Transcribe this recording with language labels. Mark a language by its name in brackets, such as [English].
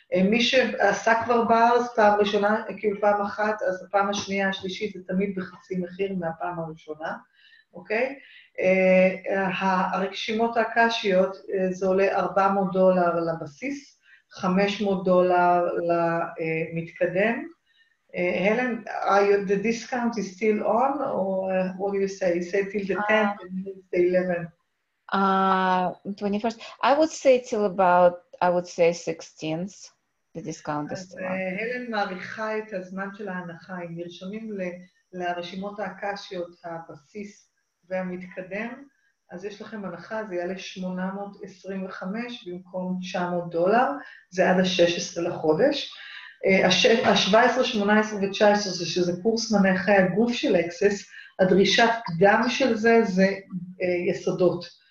[Hebrew] מי שעשה כבר בארץ פעם ראשונה, כאילו פעם אחת, אז הפעם השנייה, השלישית, זה תמיד בחצי מחיר מהפעם הראשונה, אוקיי? הרשימות הקשיות, זה עולה $400 לבסיס, $500 למתקדם. [English] Helen, the discount is still on, or what do you say? You say till the 10th and it's the 11th. 21st. I would say till about, I would say 16th, the discount is still on. [Hebrew] Helen מעריכה את הזמן של ההנחה, אם נרשמים לרשימות הקשיות, הבסיס והמתקדם, אז יש לכם הנחה, זה יעלה 825 במקום $900, זה עד ה-16 לחודש. ה-17, 18 ו-19, שזה קורס מנה חיי הגוף של אקסס, הדרישת קדם של זה, זה יסודות.